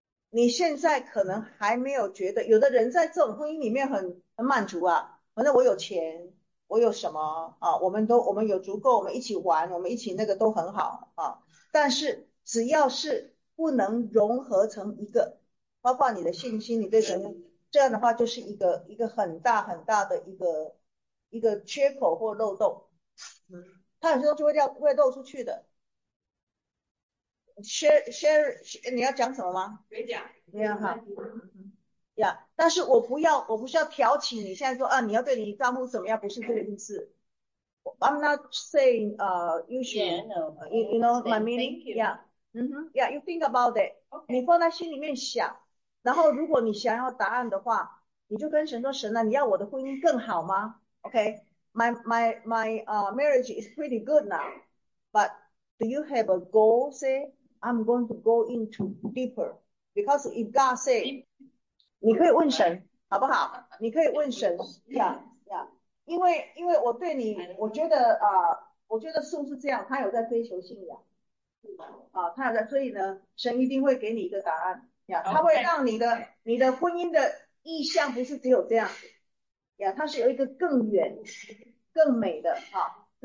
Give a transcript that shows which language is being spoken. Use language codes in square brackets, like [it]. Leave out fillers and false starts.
[zh] 你现在可能还没有觉得，有的人在这种婚姻里面很满足啊，反正我有钱，我有什么啊，我们有足够，我们一起玩，我们一起那个都很好啊，但是只要是不能融合成一个，包括你的信心，你对神，这样的话就是一个很大很大的一个缺口或漏洞，它很多时候就会漏出去的。 Share 你要讲什么吗？别讲，这样好。呀、yeah, ，但是我不是要挑起你现在说啊，你要对你丈夫怎么样？不是这个意思。 [en] I'm not saying you should yeah, no, you know my meaning yeah、 mm-hmm. yeah you think about it、 okay. [zh] 你放在心里面想，然后如果你想要答案的话，你就跟神说，神啊，你要我的婚姻更好吗？ [en] OK， my marriage is pretty good now， but do you have a goal? Say I'm going to go into deeper because if God say [zh] 你可以问神好不好，你可以问神 yeah因为我对你，我觉得是不是这样？他有在追求信仰，啊，他有在，所以呢，神一定会给你一个答案呀，他会让你的婚姻的意向不是只有这样呀，他是有一个更远、更美的哈、啊。